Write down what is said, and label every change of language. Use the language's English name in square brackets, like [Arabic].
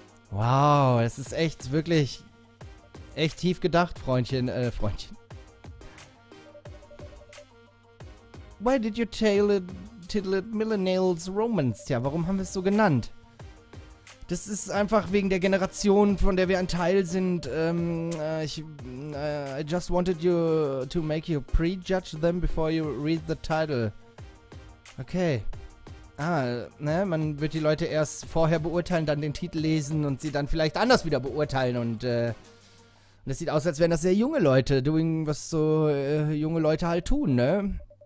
[German] Wow, es ist echt, wirklich, echt tief gedacht, Freundchen, Freundchen. [English] Why did you title it Millennials Romance? [German] Tja, warum haben wir es so genannt? Das ist einfach wegen der Generation, von der wir ein Teil sind. [English] I just wanted you to make you prejudge them before you read the title. Okay. [German] Ah, ne, man wird die Leute erst vorher beurteilen, dann den Titel lesen und sie dann vielleicht anders wieder beurteilen und es sieht aus, als wären das sehr junge Leute, doing was so junge Leute halt tun, ne?